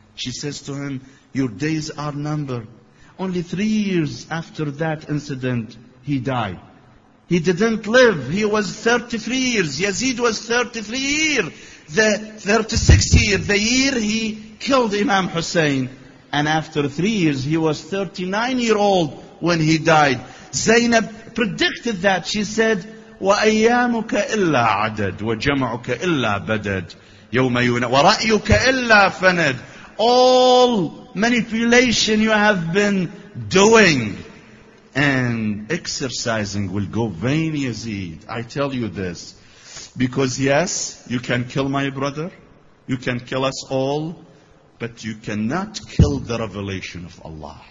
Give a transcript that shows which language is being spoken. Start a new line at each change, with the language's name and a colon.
English: She says to him, your days are numbered. Only 3 years after that incident, he died. He didn't live. He was 33 years. Yazid was 33 years. The 36 years, the year he killed Imam Hussein. And after 3 years, he was 39 years old when he died. Zainab predicted that. She said,
Arabic: وَأَيَّامُكَ إِلَّا عَدَدٌ وَجَمَعُكَ إِلَّا بَدَدٌ يَوْمَ يُنَى وَرَأْيُكَ إِلَّا فَنَدٌ.
English: All manipulation you have been doing and exercising will go vain, Yazid. I tell you this. Because yes, you can kill my brother. You can kill us all. But you cannot kill the revelation of Allah.